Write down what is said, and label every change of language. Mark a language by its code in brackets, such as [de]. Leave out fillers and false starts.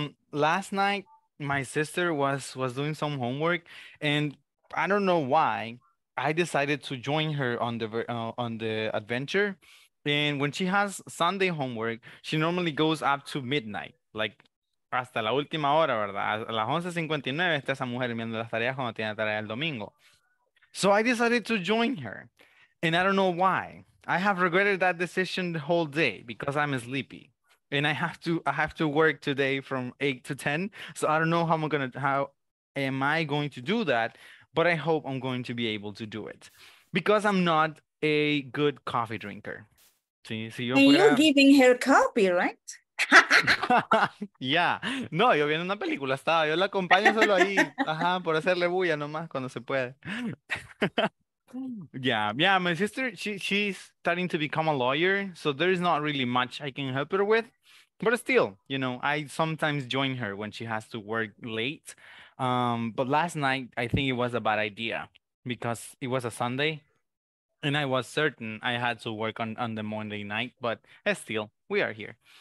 [en] Last night, my sister was doing some homework. And I don't know why, I decided to join her on the adventure. And when she has Sunday homework, she normally goes up to midnight. [es] Like, hasta la última hora, ¿verdad? A las 11:59 está esa mujer mirando las tareas cuando tiene tarea el domingo. [en] So I decided to join her. And I don't know why. I have regretted that decision the whole day because I'm sleepy. And I have to work today from 8 to 10. So I don't know how am I going to do that, but I hope I'm going to be able to do it. Because I'm not a good coffee drinker. [es] Si yo fuera... [en] You're giving her coffee, right? Yeah. [es] No, yo viendo una película estaba. Yo la acompaño solo ahí. Ajá, por hacerle bulla nomás cuando se puede. [en] Yeah, yeah, my sister, she's starting to become a lawyer, so there is not really much I can help her with. But still, you know, I sometimes join her when she has to work late. But last night, I think it was a bad idea because it was a Sunday and I was certain I had to work on the Monday night, but still, we are here.